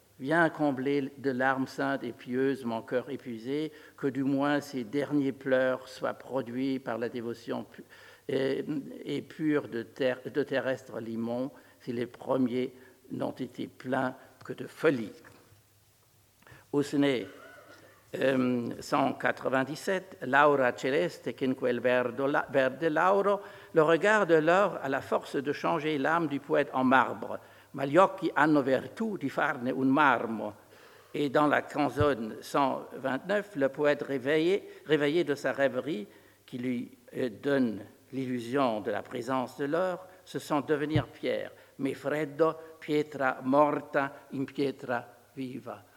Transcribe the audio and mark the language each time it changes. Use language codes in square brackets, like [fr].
[fr] Viens combler de larmes saintes et pieuses mon cœur épuisé, que du moins ces derniers pleurs soient produits par la dévotion et pure de terrestre limon, si les premiers n'ont été pleins que de folie. Au sonnet 197, Laura celeste, qu'en [it] quel verde lauro, [fr] le regard de l'or a la force de changer l'âme du poète en marbre. [it] Ma gli occhi hanno vertù di farne un marmo. [fr] Et dans la canzone 129, le poète réveillé de sa rêverie, qui lui donne l'illusion de la présence de l'or, se sent devenir pierre. [it] Me freddo, pietra morta, in pietra viva.